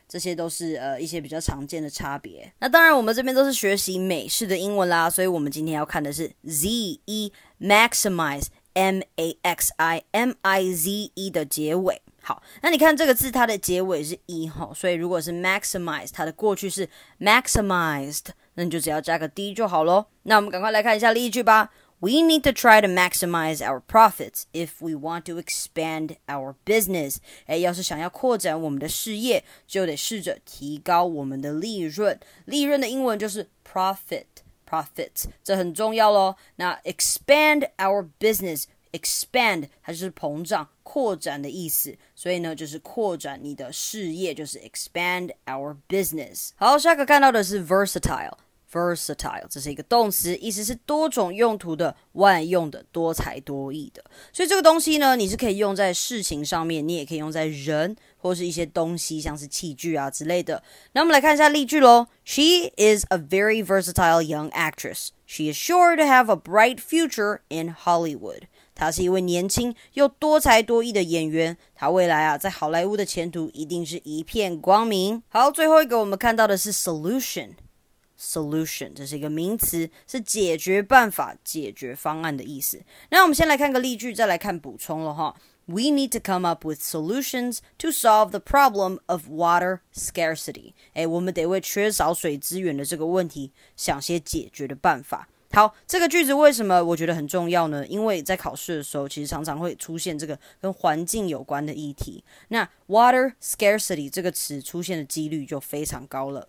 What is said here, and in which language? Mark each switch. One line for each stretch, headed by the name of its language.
Chinese: 这些都是一些比较常见的差别。那当然，我们这边都是学习美式的英文啦，所以我们今天要看的是 ze maximize。 M-A-X-I-M-I-Z-E 的结尾，好，那你看这个字它的结尾是 E 齁，所以如果是 maximize 它的过去是 maximized， 那你就只要加个 D 就好咯。那我们赶快来看一下例句吧。
English: We need to try to maximize our profits if we want to expand our business。
Chinese: 诶，要是想要扩展我们的事业，就得试着提高我们的利润。利润的英文就是 profitProfits, 这很重要咯。那
English: expand our business,
Chinese: expand, 它就是膨胀、扩展的意思。所以呢，就是扩展你的事业，就是
English: expand our business。
Chinese: 好，下个看到的是 versatile。Versatile, 这是一个动词，意思是多种用途的、万用的、多才多艺的。所以这个东西呢，你是可以用在事情上面，你也可以用在人或是一些东西，像是器具啊之类的。那我们来看一下例句咯。
English: She is a very versatile young actress. She is sure to have a bright future in Hollywood.
Chinese: 她是一位年轻又多才多艺的演员，她未来啊在好莱坞的前途一定是一片光明。好，最后一个我们看到的是 solution. Solution, 这是一个名词，是解决办法、解决方案的意思。那我们先来看个例句，再来看补充了哈。
English: We need to come up with solutions to solve the problem of water scarcity.
Chinese: 诶，我们得为缺少水资源的这个问题想些解决的办法。好，这个句子为什么我觉得很重要呢？因为在考试的时候，其实常常会出现这个跟环境有关的议题。那
English: water scarcity
Chinese: 这个词出现的几率就非常高了。